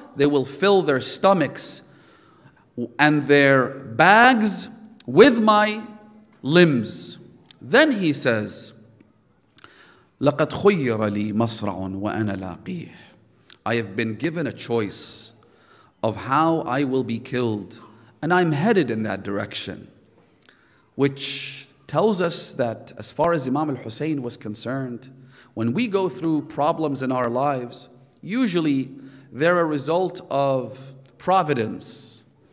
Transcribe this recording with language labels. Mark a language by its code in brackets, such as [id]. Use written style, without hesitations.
[en] They will fill their stomachs and their bags with my limbs. Then he says, [ar] لَقَدْ خُيِّرَ لِي مَصْرَعٌ وَأَنَا لَاقِيهِ. [en] I have been given a choice of how I will be killed, and I'm headed in that direction. Which tells us that as far as Imam al-Hussein was concerned, when we go through problems in our lives, usually they're a result of providence.